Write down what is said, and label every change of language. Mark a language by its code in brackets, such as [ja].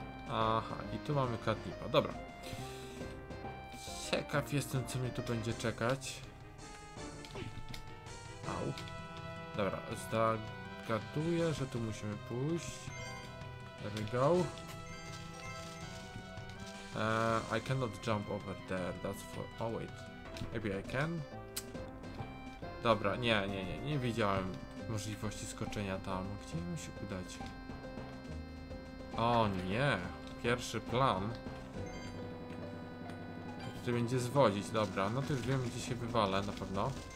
[pl] Aha, i tu mamy Katnipa. Dobra. Ciekaw jestem, co mnie tu będzie czekać. Au. Dobra, zagaduję, że tu musimy pójść. [en] There we go. I cannot jump over there, that's for... Oh wait, maybe I can? [pl] Dobra, nie widziałem możliwości skoczenia tam. Gdzie mi się udać? O nie, pierwszy plan. Tutaj będzie zwodzić, dobra, no to już wiem, gdzie się wywalę na pewno.